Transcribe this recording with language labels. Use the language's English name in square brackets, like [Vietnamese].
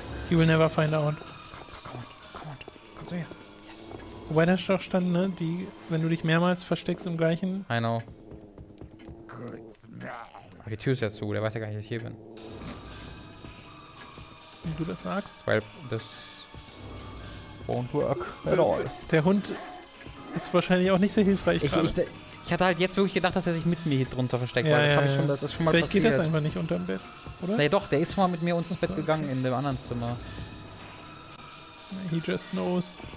[English] You will never find out. [German] Komm on. Komm zu mir. [English] Yes. [German] Wobei da doch stand, ne? Die, wenn du dich mehrmals versteckst im gleichen. [English] I know. [German] Die Tür ist ja zu, der weiß ja gar nicht, dass ich hier bin. Wie du das sagst. Weil das [English] won't work at all. [German] Der Hund ist wahrscheinlich auch nicht sehr hilfreich. Ich hatte halt jetzt wirklich gedacht, dass er sich mit mir hier drunter versteckt. Ja, weil das, ich schon, das ist schon mal vielleicht passiert. Geht das einfach nicht unter dem Bett, oder? Nee, doch, der ist schon mal mit mir unter das Bett gegangen in dem anderen Zimmer. [English] He just knows.